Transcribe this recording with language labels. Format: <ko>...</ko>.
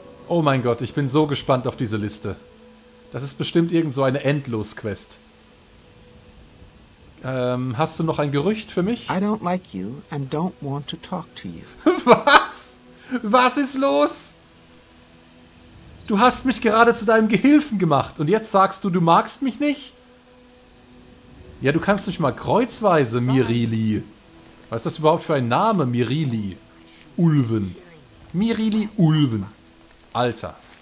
<de>Oh mein Gott, ich bin so gespannt auf diese Liste. Das ist bestimmt irgend so eine Endlos-Quest. Hast du noch ein Gerücht für mich?</de> <en>I don't like you and don't want to talk to you.</en> <de>Was? Was ist los? Du hast mich gerade zu deinem Gehilfen gemacht und jetzt sagst du, du magst mich nicht? Ja, du kannst mich mal kreuzweise, Mirili. Was ist das überhaupt für ein Name, Mirili? Ulven. Mirili Ulven. Alter.</de>